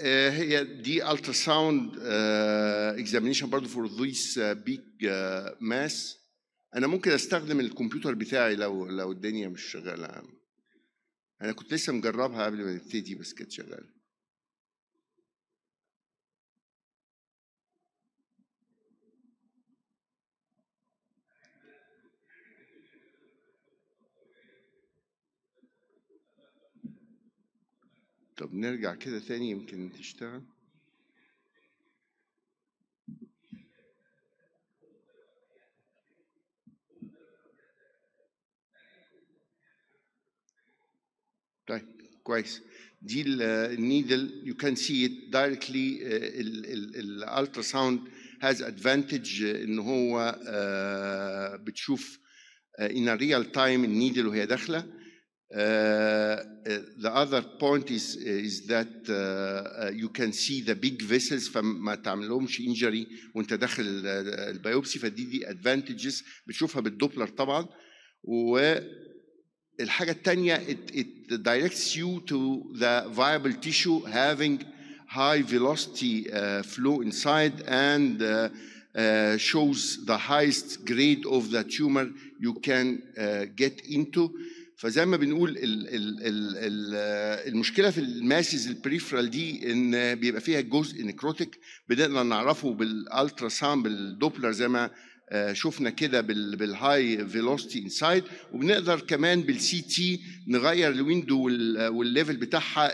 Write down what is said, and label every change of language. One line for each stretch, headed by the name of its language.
Arabic: هي دي
English: ultrasound examination
Arabic: برضو
English: for this big mass.
Arabic: أنا ممكن أستخدم الكمبيوتر بتاعي لو الدنيا مش شغالة. أنا كنت لسه مجربها قبل ما نبتدي بس كانت شغالة. طب نرجع كده ثاني يمكن تشتغل. طيب كويس. دي النيدل,
English: you can see it directly.
Arabic: الالتراساوند
English: has advantage
Arabic: ان هو بتشوف
English: in a real time
Arabic: النيدل وهي داخله.
English: The other point is that you can see the big vessels
Arabic: فما تعملهمش injury وانت داخل البيوبسي فدي دي advantages بتشوفها بالدوبلر طبعا. والحاجة التانية
English: it directs you to the viable tissue having high velocity flow inside and shows the highest grade of the tumor you can get into.
Arabic: فزي ما بنقول المشكلة في الماسز البريفرال دي ان بيبقى فيها جزء نكروتيك بدأنا نعرفه بالالترا سام بالدوبلر زي ما شفنا كده بالهاي فيلوستي انسايد، وبنقدر كمان بالسي تي نغير الويندو والليفل بتاعها.